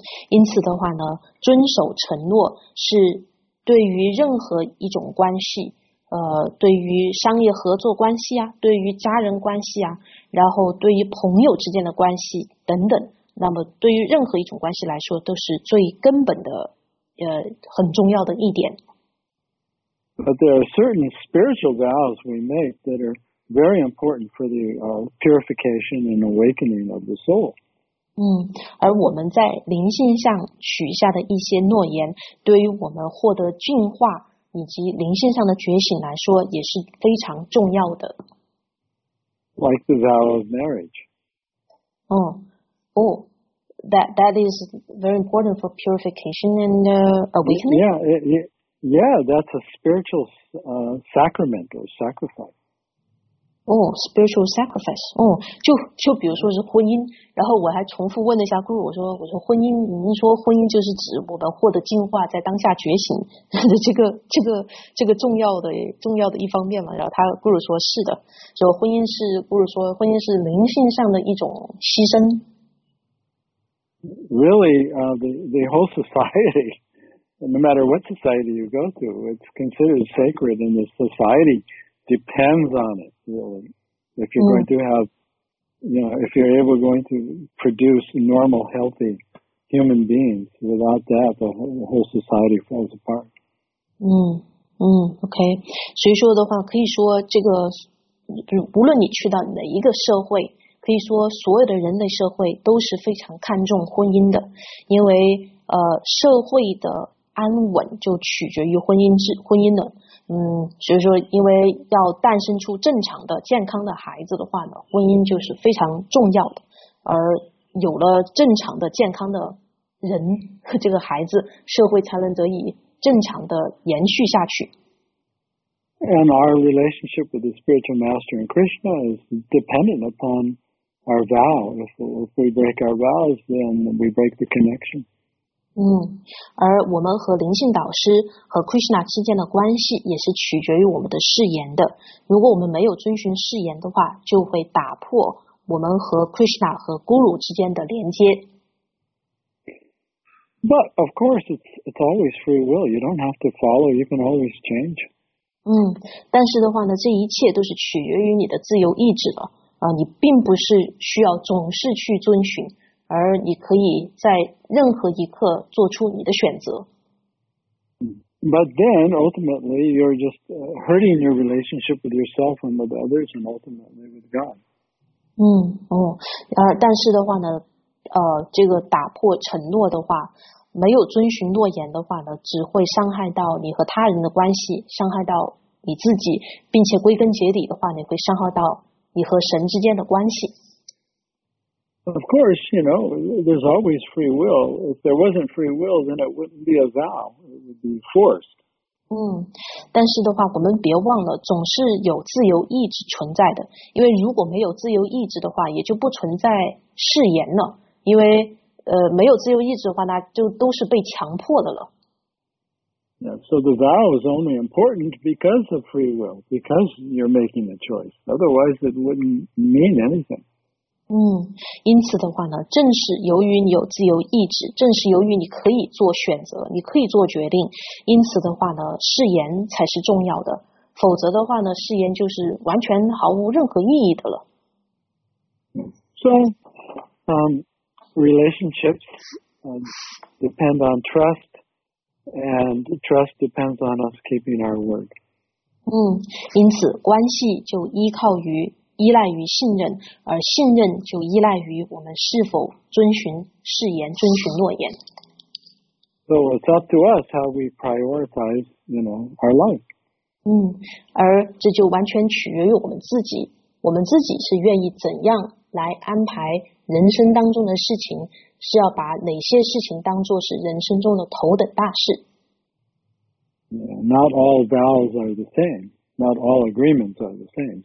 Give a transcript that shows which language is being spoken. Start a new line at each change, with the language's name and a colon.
Chinese: 因此的话呢，遵守承诺是对于任何一种关系，对于商业合作关系啊，对于家人关系啊，然后对于朋友之间的关系等等，那么对于任何一种关系来说，都是最根本的，很重要的一点。
English: But there are certain spiritual vows we make that are very important for the purification and awakening of the soul.
Chinese: 而我们在灵性上许下的一些诺言对于我们获得净化以及灵性上的觉醒来说也是非常重要的。
English: Like the vow of marriage. That is very important for purification and awakening. Yeah, that's a spiritual sacrament or sacrifice. Spiritual sacrifice.
Chinese: 就比如说是婚姻，然后我还重复问了一下 Guru， 我说婚姻，您说婚姻就是指我们获得净化，在当下觉醒的这个重要的一方面嘛？然后他 Guru 说是的，就婚姻是 Guru 说婚姻是灵性上的一种牺牲。
English: Really, the whole society, no matter what society you go to, it's considered sacred, and the society. Depends on it, really. If you're going to have, you know, if you're able going to produce normal, healthy human beings, without that, the whole society falls apart. Okay.
Chinese: 所以说的话，可以说这个，无论你去到哪一个社会，可以说所有的人类社会都是非常看重婚姻的，因为社会的安稳就取决于婚姻的。所以说因为要诞生出正常的健康的孩子的话呢，婚姻就是非常重要的，而有了正常的健康的人和这个孩子，社会才能得以正常的延续下去。
English: And our relationship with the spiritual master and Krishna is dependent upon our vow. If we break our vows, then we break the connection.
Chinese: 而我们和灵性导师和 Krishna 之间的关系也是取决于我们的誓言的，如果我们没有遵循誓言的话，就会打破我们和 Krishna 和 Guru 之间的连接。
English: But of course it's always free will. You don't have to follow. You can always change.
Chinese: 但是的话呢，这一切都是取决于你的自由意志的，你并不是需要总是去遵循，而你可以在任何一刻做出你的选择。
English: But then, ultimately, you're just hurting your relationship with yourself and with others, and ultimately with God.
Chinese: 但是的话呢，这个打破承诺的话，没有遵循诺言的话呢，只会伤害到你和他人的关系，伤害到你自己，并且归根结底的话，你会伤害到你和神之间的关系。
English: Of course, you know, there's always free will. If there wasn't free will, then it wouldn't be a vow. It would be forced.
Chinese: 但是的话，我们别忘了，总是有自由意志存在的。因为如果没有自由意志的话，也就不存在誓言了。因为没有自由意志的话，那就都是被强迫的了。
English: Yeah, so the vow is only important because of free will, because you're making a choice. Otherwise, it wouldn't mean anything.
Chinese: 因此的话呢，正是由于你有自由意志，正是由于你可以做选择，你可以做决定，因此的话呢，誓言才是重要的。否则的话呢，誓言就是完全毫无任何意义的了。
English: So, relationships depend on trust, and trust depends on us keeping our word.
Chinese: 因此关系就依赖于信任，而信任就依赖于我们是否遵循誓言，遵循诺言。
English: So it's up to us how we prioritize, you know, our life.
Chinese: 而这就完全取决于我们自己，我们自己是愿意怎样来安排人生当中的事情，是要把哪些事情当作是人生中的头等大事。
English: Not all vows are the same. Not all agreements are the same.